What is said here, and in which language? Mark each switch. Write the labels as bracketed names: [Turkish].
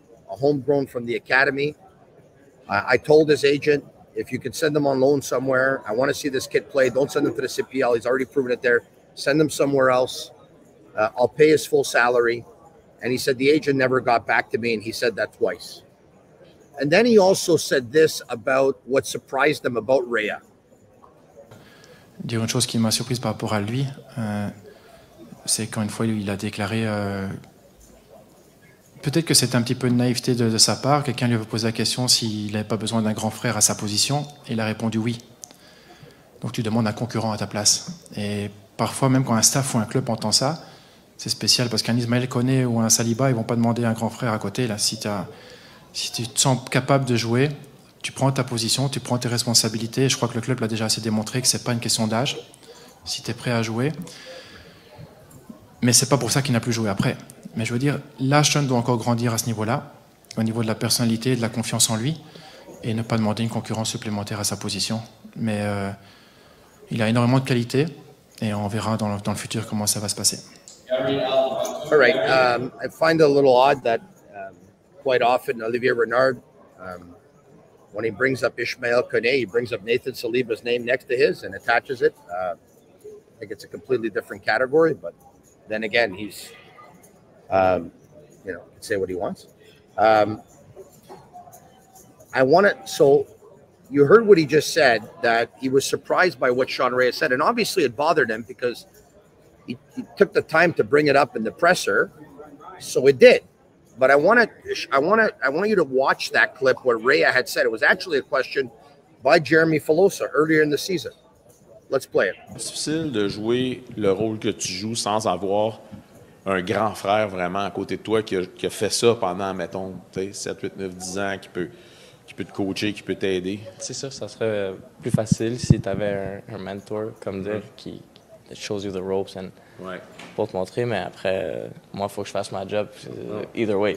[English] A homegrown from the academy. I told his agent, if you can send him on loan somewhere, I want to see this kid play. Don't send him to the CPL. He's already proven it there. Send him somewhere else. I'll pay his full salary. And he said the agent never got back to me, and he said that twice. And then he also said this about what surprised him about Rea. [French] Dire une chose qui m'a surprise par rapport à lui, c'est quand une fois il a déclaré, peut-être que c'est un petit peu de naïveté de sa part, quelqu'un lui avait posé la question s'il n'avait pas besoin d'un grand frère à sa position, et il a répondu oui. Donc tu demandes un concurrent à ta place. Et parfois même quand un staff ou un club entend ça, c'est spécial parce qu'un Ismaël Koné ou un Saliba, ils ne vont pas demander un grand frère à côté. Là, si tu te sens capable de jouer, tu prends ta position, tu prends tes responsabilités. Je crois que le club l'a déjà assez démontré que ce n'est pas une question d'âge, si tu es prêt à jouer. Mais ce n'est pas pour ça qu'il n'a plus joué après. Mais je veux dire, là, Sean doit encore grandir à ce niveau-là, au niveau de la personnalité, de la confiance en lui, et ne pas demander une concurrence supplémentaire à sa position. Mais il a énormément de qualité, et on verra dans le futur comment ça va se passer. [English] All right. I find it a little odd that quite often Olivier Renard, when he brings up Ismaël Koné, he brings up Nathan Saliba's name next to his and attaches it. I think it's a completely different category, but then again, he's, you know, can say what he wants. I want it. So you heard what he just said, that he was surprised by what Sean Reyes said. And obviously it bothered him because he took the time to bring it up in the presser. So it did. But I want you to watch that clip where Rea had said it was actually a question by Jeremy Filosa earlier in the season. Let's play it. [French] C'est difficile de jouer le rôle que tu joues sans avoir un grand frère vraiment à côté de toi qui a fait ça pendant, mettons, 7, 8, 9, 10 ans, qui peut te coacher, qui peut t'aider. C'est sûr, ça serait plus facile si tu avais un mentor, comme dire, qui [English] shows you the ropes [French] and pour te montrer, mais après, moi, il faut que je fasse ma job [English] either way.